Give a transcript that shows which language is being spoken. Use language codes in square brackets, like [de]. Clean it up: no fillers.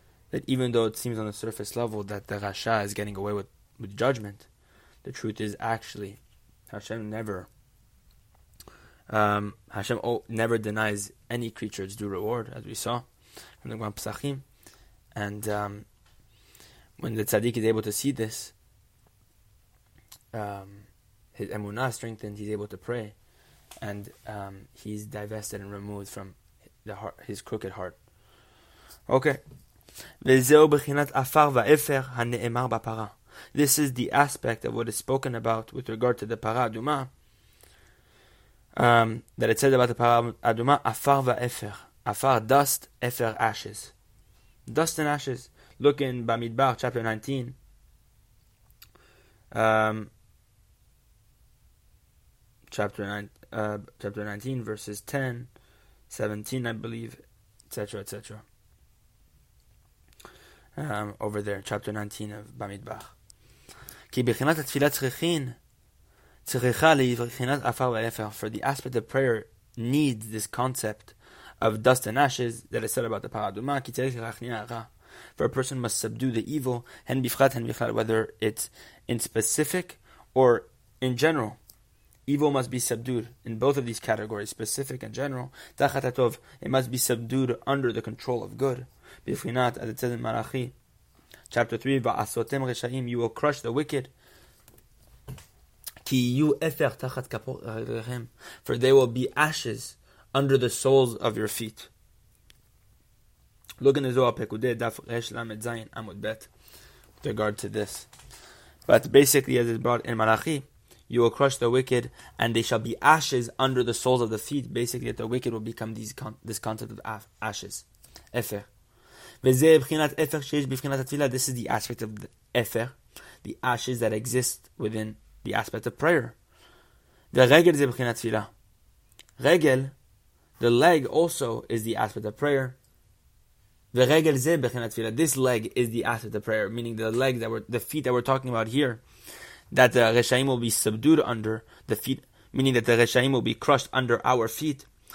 [en] that even though it seems on the surface level that the rasha is getting away with judgment, the truth is actually Hashem never denies any creature its due reward, as we saw from the Gemara Pesachim, and when the tzadik is able to see this, his emunah strengthened, he's able to pray, and he's divested and removed from the heart, his crooked heart. Okay. [he] וזהו בחינת עפר ועפר הנאמר בפרה. [en] This is the aspect of what is spoken about with regard to the parah aduma. That it says about the parah aduma, afar va'efer, afar dust, efer ashes. Dust and ashes. Look in Bamidbar chapter 19. Chapter 19, verses 10, 17, I believe, etc., etc. Over there, chapter 19 of Bamidbar. [he] כי בחינת התפילה צריכין, צריכה לבחינת עפר ועפר. [en] For the aspect of prayer needs this concept of dust and ashes that is said about the paraduma, [he] כי צריך להכניע הרע. [en] For a person must subdue the evil, [he] הן בפרט, הן בכלל, [en] whether it's in specific or in general. Evil must be subdued in both of these categories, specific and general. [he] תחת הטוב, [en] it must be subdued under the control of good. בבחינת, as it says in Malachi, chapter 3, [he] ועשותם רשעים, [en] you will crush the wicked. [he] כי יהיו אפר תחת כפות רגליכם. [en] For they will be ashes under the soles of your feet. Look in the Zohar, [he] פקודי דף רש למד זין עמוד בית, [en] with regard to this. But basically, as it's brought in Malachi, you will crush the wicked, and they shall be ashes under the soles of the feet. Basically, that the wicked will become this concept of ashes. Efer. [he] וזה בחינת אפר שיש בבחינת התפילה. [en] This is the aspect of אפר, the ashes that exist within the aspect of prayer. [he] ורגל זה בחינת תפילה. [en] רגל, the leg also is the aspect of prayer. [he] ורגל זה בחינת תפילה. [en] This leg is the aspect of prayer, meaning the leg that we're, the feet that we're talking about here, that the Reshaim will be subdued under the feet, meaning that the Reshaim will be crushed under our feet.